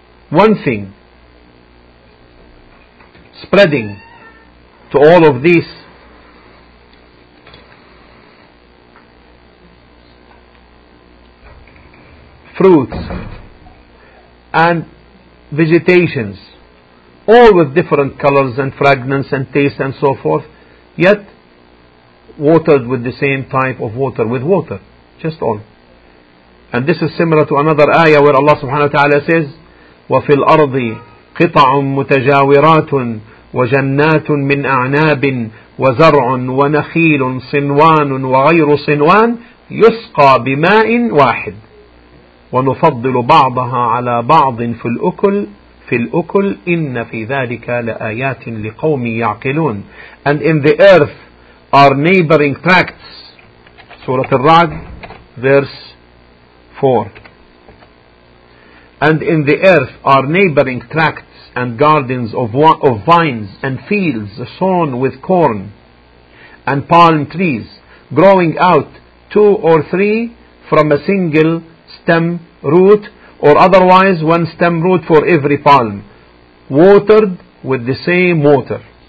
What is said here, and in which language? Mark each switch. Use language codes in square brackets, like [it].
[en] One thing, spreading to all of these fruits and vegetations, all with different colors and fragrance and taste and so forth, yet watered with the same type of water, with water, just all. And this is similar to another ayah where Allah subhanahu wa ta'ala says, [ar] وَفِي الْأَرْضِ قِطَعٌ مُتَجَاوِرَاتٌ وَجَنَّاتٌ مِّنْ أَعْنَابٍ وَزَرْعٌ وَنَخِيلٌ صِنْوَانٌ وَغَيْرُ صِنْوَانٍ يُسْقَى بِمَاءٍ وَاحِدٍ وَنُفَضِّلُ بَعْضَهَا عَلَى بَعْضٍ فِي الْأُكُلِ إِنَّ فِي ذَٰلِكَ لَآيَاتٍ لِقَوْمٍ يَعْقِلُونَ. [en] And in the earth are neighboring tracts. Surah Ar-Ra'd, verse 4. And in the earth are neighboring tracts and gardens of vines and fields sown with corn and palm trees, growing out 2 or 3 from a single stem root, or otherwise 1 stem root for every palm, watered with the same water.